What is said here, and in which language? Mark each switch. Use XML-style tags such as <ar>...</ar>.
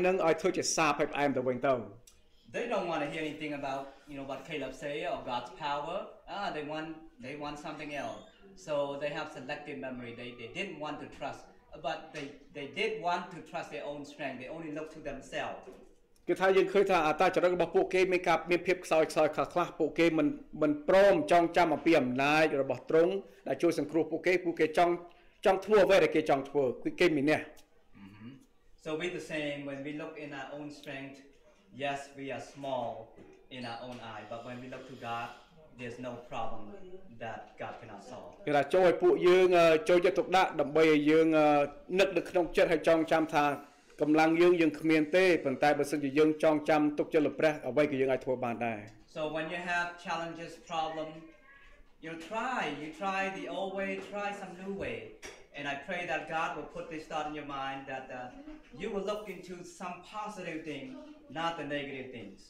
<km>គេថាពួកគេបានភ្លេចដែលសាការជ្រើសរើសរបស់គេវាមិនត្រឹមត្រូវគេថាគេភ្លេចថាទ្រង់បានបើកមហាសមុទ្រក៏ហមឲ្យគេដើរមកគេភ្លេចថាទ្រង់បានបញ្ជូនទឹកចេញមកពីថ្មឲ្យគេឲ្យទ្រង់ក៏បានធ្វើឲ្យទឹកដែលជូរប្រៃនឹងឲ្យធ្វើជាសាភ័យផ្អែមទៅវិញទៅ.</km> <en>They don't want to hear anything about, you know, about Caleb's say or God's power. They want something else. So they have selective memory. They didn't want to trust, but they did want to trust their own strength. They only look to themselves.</en> <km>គេថាយើងឃើញថាអត្តចរិតរបស់ពួកគេមានភាពខ្សោយខ្សោយខ្លះៗពួកគេមិនព្រមចង់ចាំអំពីអំណាចរបស់ទ្រង់ដែលជួយសង្គ្រោះពួកគេពួកគេចង់ធ្វើអ្វីដែលគេចង់ធ្វើគឺគេមានអ្នក.</km> <en>So we the same when we look in our own strength. Yes, we are small in our own eye, but when we look to God, there's no problem that God cannot solve.</en> <km>គេថាចូលឲ្យពួកយើងចូលចិត្តទុកដាក់ដើម្បីឲ្យយើងនឹកនៅក្នុងចិត្តឲ្យចងចាំថាកម្លាំងយើងគ្មានទេប៉ុន្តែបើសិនជាយើងចងចាំទុកចិត្តលើព្រះអ្វីក៏យើងអាចធ្វើបានដែរ.</km> <en>So when you have challenges, problem, you try the old way, try some new way. And I pray that God will put this thought in your mind that you will look into some positive thing, not the negative things.</en>